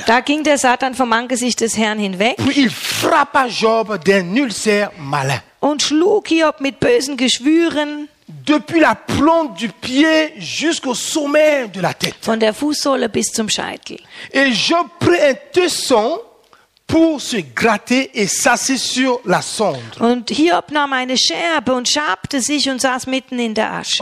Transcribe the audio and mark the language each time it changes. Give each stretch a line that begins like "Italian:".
German: Da ging der Satan vom Angesicht des Herrn hinweg.
French: Puis il frappa Job d'un ulcère malin.
German: Und schlug Hiob mit bösen Geschwüren.
French: Depuis la plante du pied jusqu'au sommet de la tête.
German: Von der Fußsohle bis zum Scheitel.
French: Et Job prit un tesson pour se gratter et s'assit sur la cendre.
German: Und Hiob nahm eine Scherbe und schabte sich und saß mitten in der Asche.